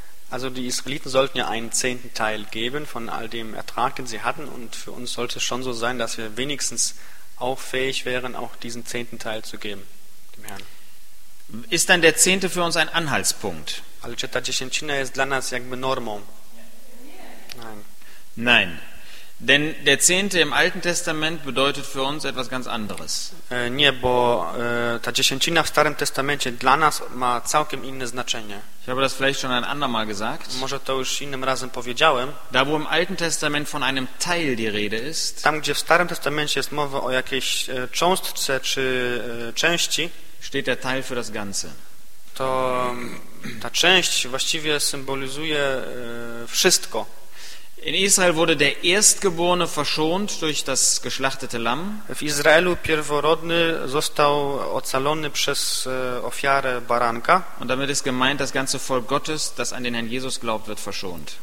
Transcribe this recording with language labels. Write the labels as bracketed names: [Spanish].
[German] Also die Israeliten sollten ja einen zehnten Teil geben von all dem Ertrag, den sie hatten, und für uns sollte es schon so sein, dass wir wenigstens auch fähig wären, auch diesen zehnten Teil zu geben dem Herrn. Ist dann der Zehnte für uns ein Anhaltspunkt? [Polish] Ale czy ta dziesięcina jest dla nas jakby normą? [German] Nein. Nein. Denn der Zehnte im Alten Testament bedeutet für uns etwas ganz anderes. [Polish] Nie, bo ta dziesięcina w Starym Testamencie dla nas ma całkiem inne znaczenie. [German] Ich habe das vielleicht schon ein andermal gesagt. [Polish] Może to już innym razem powiedziałem. [German] Da, wo im Alten Testament von einem Teil die Rede ist, [Polish] tam, gdzie w Starym Testamencie jest mowa o jakiejś cząstce czy części, [German] steht der Teil für das Ganze. [Polish] To ta część właściwie symbolizuje wszystko. [German] In Israel wurde der Erstgeborene verschont durch das geschlachtete Lamm. [Polish] W Izraelu pierworodny został ocalony przez ofiarę baranka. [German] Und damit ist gemeint, das ganze Volk Gottes, das an den Herrn Jesus glaubt, wird verschont.